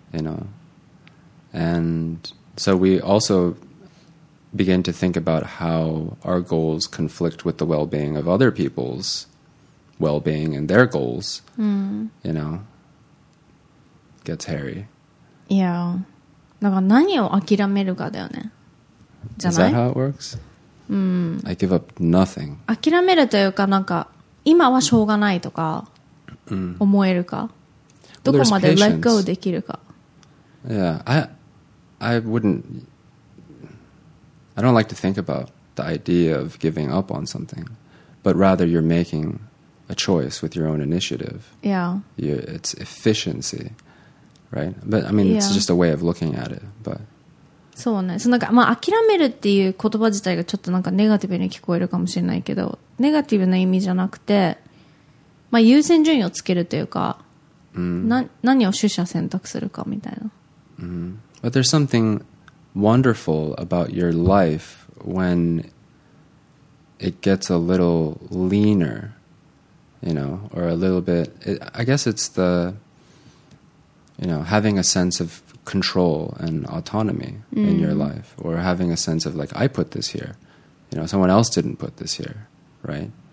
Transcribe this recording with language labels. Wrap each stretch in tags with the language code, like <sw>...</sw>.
<en>You know? And so we also begin to think about how our goals conflict with the well-being of other people's well-being and their goals, you know, gets hairy. Yeah.</en> <ja>だから何を諦めるかだよね。じゃない?</ja> <en>Is that how it works? I give up nothing.</en> <ja>諦めるというか、なんか、今はしょうがないとか、思えるか。どこまで</ja> <en>let go</en> <ja>できるか。</ja> <en>Yeah, I don't like to think about the idea of giving up on something, but rather you're making a choice with your own initiative. Yeah. It's efficiency, right? But I mean, it's just a way of looking at it, but.</en> <ja>そうね。そのなんか、まあ、諦めるっていう言葉自体がちょっとなんかネガティブに聞こえるかもしれないけど、ネガティブな意味じゃなくて、まあ、優先順位をつけるというか、何を取捨選択するかみたいな。</ja> <en>But there's something wonderful about your life when it gets a little leaner, you know, or a little bit. I guess it's the, you know, having a sense of control and autonomy in your life, or having a sense of like, I put this here, you know, someone else didn't put this here, right?</en>